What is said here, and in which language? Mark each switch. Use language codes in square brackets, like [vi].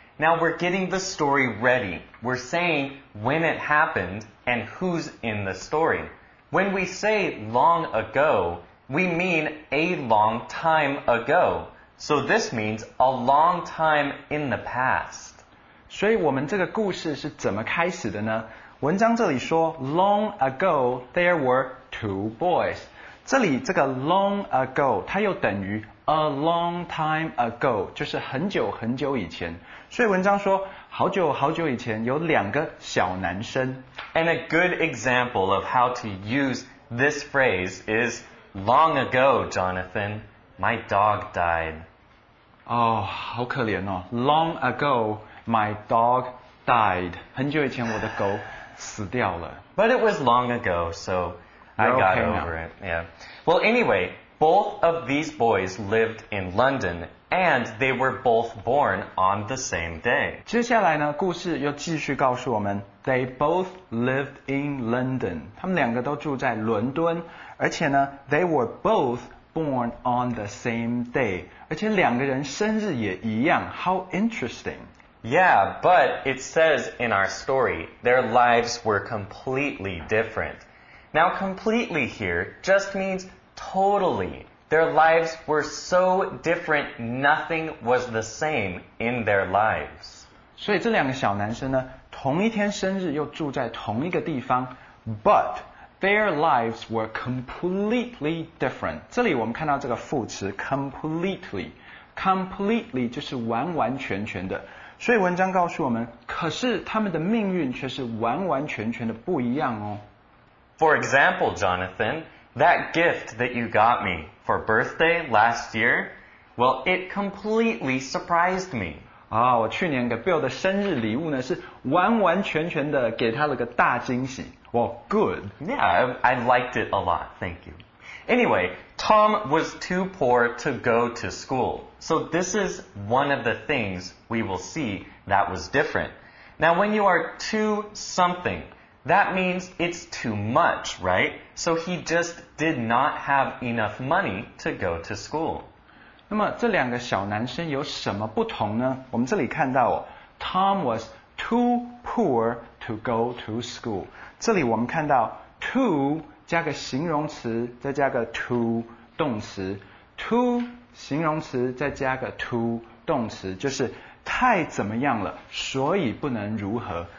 [en] Now, we're getting the story ready. We're saying when it happened and who's in the story. When we say long ago, we mean a long time ago. So, this means a long time in the past. [zh] 所以我们这个故事是怎么开始的呢？文章这里说 [en] long ago there were two boys. [zh] 这里这个 long ago 它又等于 [en] a long time ago, [zh] 就是很久很久以前。所以文章说好久好久以前有两个小男生。 [en] And a good example of how to use this phrase is long ago, Jonathan, my dog died. 哦、oh, [zh] 好可怜哦。 [en] Long ago, my dog died. [zh] 很久以前我的狗死掉了。 [en] But it was long ago, so I got over it. Yeah. Well, anyway, both of these boys lived in London, and they were both born on the same day. [zh] 接下来呢，故事又继续告诉我们 ， [en] they both lived in London. [zh] 他们两个都住在伦敦，而且呢 ， [en] they were both born on the same day. [zh] 而且两个人生日也一样。 [en] How interesting. Yeah, but it says in our story, their lives were completely different. Now, completely here just means totally. Their lives were so different, nothing was the same in their lives. [zh] 所以这两个小男生呢，同一天生日又住在同一个地方 , [en] but their lives were completely different. [zh] 这里我们看到这个副词 completely. Completely 就是完完全全的。所以文章告诉我们，可是他们的命运却是完完全全的不一样哦。 [en] For example, Jonathan, that gift that you got me for birthday last year, well, it completely surprised me. [zh] 啊、哦，我去年给 Bill 的生日礼物呢，是完完全全的给他了个大惊喜。 [en] Well, good. Yeah, I liked it a lot. Thank you. Anyway, Tom was too poor to go to school. So this is one of the things we will see that was different. Now, when you are too something, that means it's too much, right? So he just did not have enough money to go to school. [zh] 那么这两个小男生有什么不同呢？我们这里看到哦， [en] Tom was too poor to go to school. [zh] 这里我们看到 too加个形容词，再加个 to 动词 ，to 形容词再加个 to 动词，就是太怎么样了，所以不能如何。